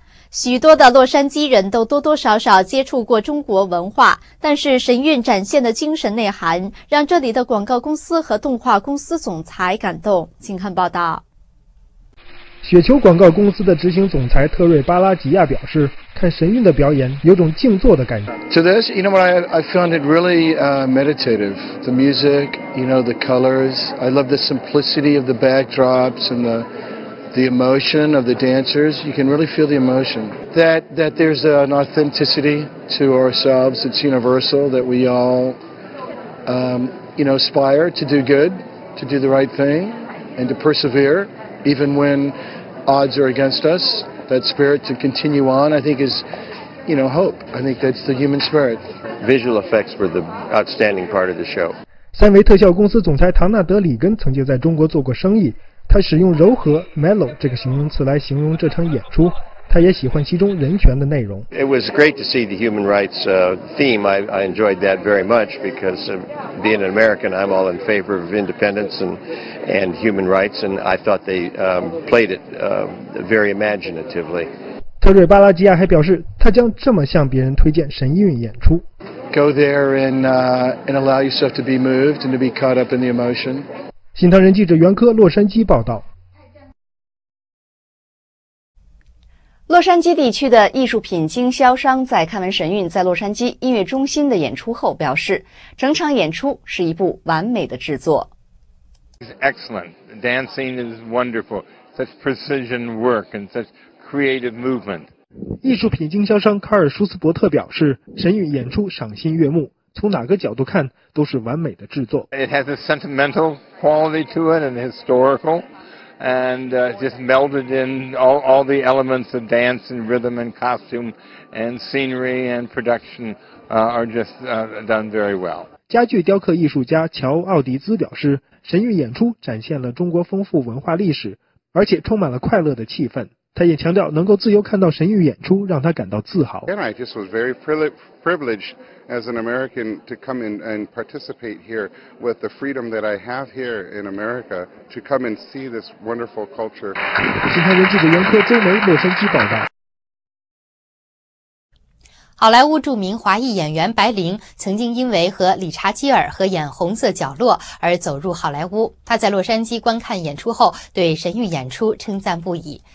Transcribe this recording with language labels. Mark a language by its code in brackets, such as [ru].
[zh] 许多的洛杉矶人都多多少少接触过中国文化，但是神韵展现的精神内涵让这里的广告公司和动画公司总裁感动。请看报道。雪球广告公司的执行总裁特瑞·巴拉吉亚表示，看神韵的表演有种静坐的感觉。 [en] To this, you know, I found it really meditative. The music, you know, the colors. I love the simplicity of the backdrops and the emotion of the dancers. You can really feel the emotion. That there's an authenticity to ourselves. It's universal that we all, you know, aspire to do good, to do the right thing, and to persevere, even when odds are against us. That spirit to continue on, I think, is, you know, hope. I think that's the human spirit. Visual effects were the outstanding part of the show. [zh] 三维特效公司总裁唐纳德·里根曾经在中国做过生意，他使用柔和 mellow 这个形容词来形容这场演出。他也喜欢其中人权的内容。 [en] It was great to see the human rights theme. I enjoyed that very much because being an American, I'm all in favor of independence and human rights. And I thought they played it very imaginatively. [zh] 特瑞·巴拉吉亚还表示，他将这么向别人推荐神韵演出。 [en] Go there and allow yourself to be moved and to be caught up in the emotion. [zh] 新唐人记者袁科，洛杉矶报道。洛杉矶地区的艺术品经销商在看完神韵在洛杉矶音乐中心的演出后表示，整场演出是一部完美的制作。 [en] It's excellent. The dancing is wonderful. Such precision work and such creative movement. [zh] 艺术品经销商卡尔·舒斯伯特表示，神韵演出赏心悦目，从哪个角度看都是完美的制作。 [en] It has a sentimental quality to it and historical. And just melded in all the elements of dance and rhythm and costume and scenery and production are just done very well. [zh] 家具雕刻艺术家乔·奥迪兹表示，神韵演出展现了中国丰富文化历史，而且充满了快乐的气氛。他也强调，能够自由看到神韵演出让他感到自豪。 [en] And I just was very privileged as an American to come in and participate here with the freedom that I have here in America to come and see this wonderful culture. [zh] 新唐人记者袁科，周梅，洛杉矶报道。好莱坞著名华裔演员白玲曾经因为和理查基尔合演《红色角落》而走入好莱坞。他在洛杉矶观看演出后对神韵演出称赞不已。